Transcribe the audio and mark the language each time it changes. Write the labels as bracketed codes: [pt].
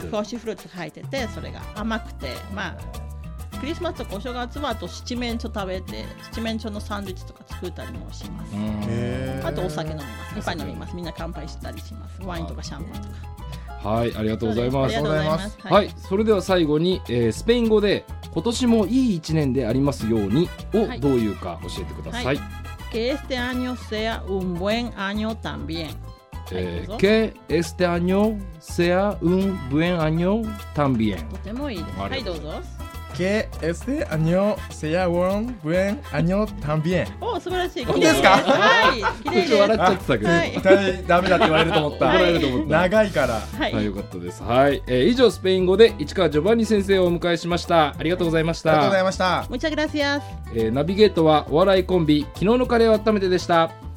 [ja] はい、フォッシュフルーツ入ってて、それが甘くて、まあクリスマスとかお正月はあと七面鳥食べて、七面鳥のサンドイッチとか作ったりもします。あとお酒飲みます、いっぱい飲みます、みんな乾杯したりします、ワインとかシャンパンとか。はい、ありがとうございます。ありがとうございます、はい、はい、それでは最後に、スペイン語で今年もいい一年でありますようにをどういうか教えてください。はい、 [es] que este año sea un buen año también。 que este año sea un buen año también。 [ja] とてもいいです。はい、どうぞ。 [es] que este año sea un buen año también。 [ja] お、素晴らしい、綺麗ですか。はい、綺麗です。笑っちゃってたけど、絶対ダメだって言われると思った。怒られると思った。長いから。はい、よかったです。はい、以上スペイン語で市川ジョバンニ先生をお迎えしました。ありがとうございました。ありがとうございました。 [es] muchas gracias。 [ja] ナビゲートはお笑いコンビ昨日のカレーを温めてでした。